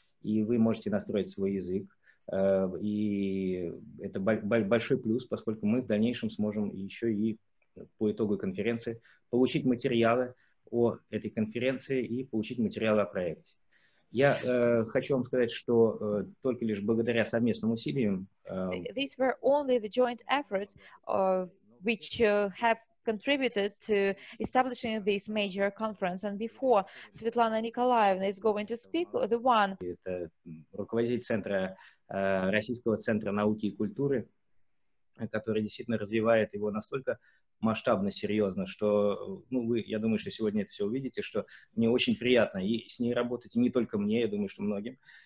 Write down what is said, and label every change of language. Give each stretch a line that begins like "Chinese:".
Russian: И вы можете настроить свой язык. И это большой плюс, поскольку мы в дальнейшем сможем еще и по итогу конференции получить материалы о этой конференции и получить материалы о проекте. Я хочу вам сказать, что только лишь благодаря совместным усилиям
English: these were only the joint efforts which have contributed to establishing this major conference. And before Svetlana Nikolaevna is going to speak, the one
Russian: это руководитель центра Российского центра науки и культуры, который действительно развивает его настолько масштабно, серьезно, что, ну, вы, я думаю, что сегодня это все увидите, что мне очень приятно и с ней работать, и не только мне, я думаю, что многим.